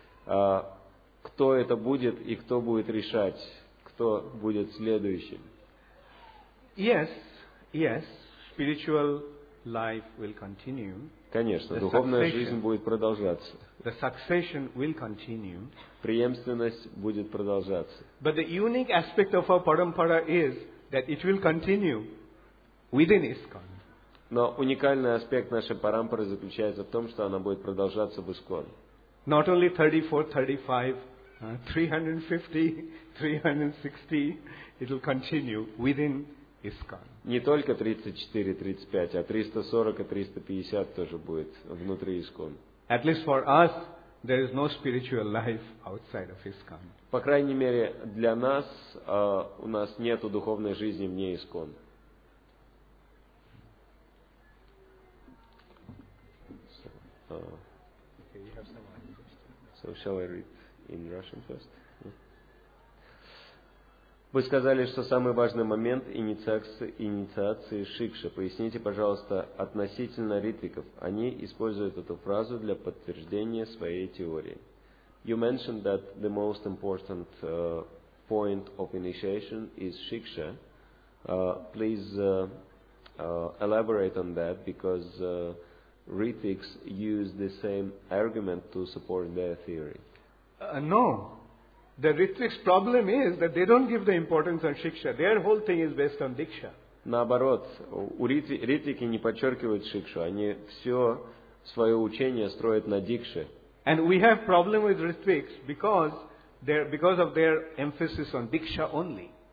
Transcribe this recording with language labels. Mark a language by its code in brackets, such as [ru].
[ru] Кто это будет и кто будет решать, кто будет следующим? [en] Yes, yes, spiritual life will continue. [ru] Конечно, the духовная жизнь будет продолжаться. [en] The succession will continue. [ru] Преемственность будет продолжаться. [en] But the unique aspect of our parampara is that it will continue within ISKCON. [ru] Но уникальный аспект нашей парампары заключается в том, что она будет продолжаться в ISKCON. [en] Not only 34, 35, 350, 360, it will continue within ISKCON. [ru] Не только 34, 35, а 340 и 350 тоже будет внутри ISKCON. [en] At least for us, there is no spiritual life outside of ISKCON. [ru] По крайней мере, для нас, у нас нету духовной жизни вне ISKCON. [en] So shall I read in Russian first? [ru] Вы сказали, что самый важный момент инициации шикши. Поясните, пожалуйста, относительно ритвиков. Они используют эту фразу для подтверждения своей теории. [en] You mentioned that the most important point of initiation is shiksha. Please elaborate on that, because Ritviks use the same argument to support their theory. No. The Ritviks' problem is that they don't give the importance on shiksha. Their whole thing is based on diksha. [ru] Наоборот, ритвики не подчеркивают шикшу. Они все свое учение строят на дикше. [en] And we have problem with Ritviks because of their emphasis on diksha only.